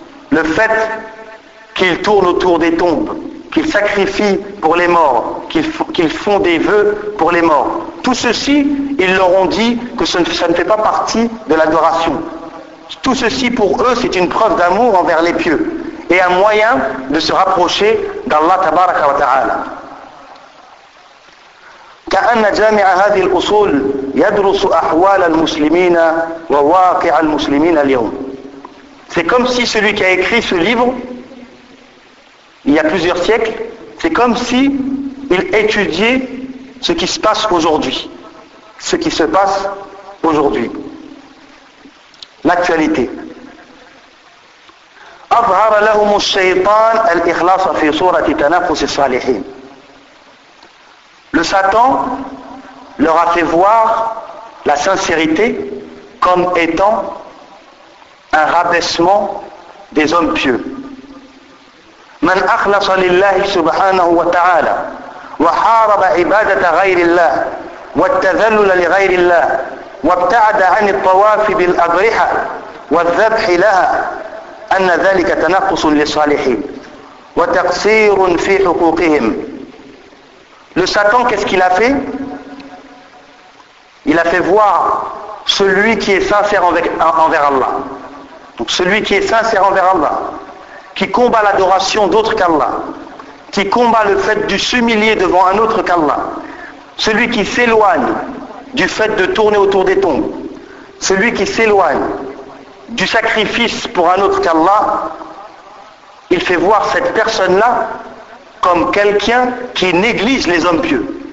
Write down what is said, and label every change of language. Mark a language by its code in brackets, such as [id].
[fr] Le fait qu'ils tournent autour des tombes, qu'ils sacrifient pour les morts, qu'ils font des vœux pour les morts. Tout ceci, ils leur ont dit que ça ne fait pas partie de l'adoration. Tout ceci pour eux, c'est une preuve d'amour envers les pieux et un moyen de se rapprocher d'Allah tabaraka wa ta'ala. [ar] كأن جامع هذه الأصول يدرس أحوال المسلمين وواقع المسلمين اليوم. [fr] C'est comme si celui qui a écrit ce livre, il y a plusieurs siècles, c'est comme si il étudiait ce qui se passe aujourd'hui. Ce qui se passe aujourd'hui. L'actualité. [ar] أظهر لهم الشيطان الإخلاص في صورة تنافس الصالحين. [fr] Le Satan leur a fait voir la sincérité comme étant un rabaissement des hommes pieux. [ar] من أخلص لله سبحانه وتعالى وحارب عبادة غير الله والتذلل لغير الله وابتعد عن الطواف بالأضرحة والذبح لها أن ذلك تنقص للصالحين وتقصير في حقوقهم. [fr] Le Satan, qu'est-ce qu'il a fait? Il a fait voir celui qui est sincère envers Allah. Donc celui qui est sincère envers Allah, qui combat l'adoration d'autre qu'Allah, qui combat le fait de s'humilier devant un autre qu'Allah, celui qui s'éloigne du fait de tourner autour des tombes, celui qui s'éloigne du sacrifice pour un autre qu'Allah, il fait voir cette personne-là comme quelqu'un qui néglige les hommes pieux.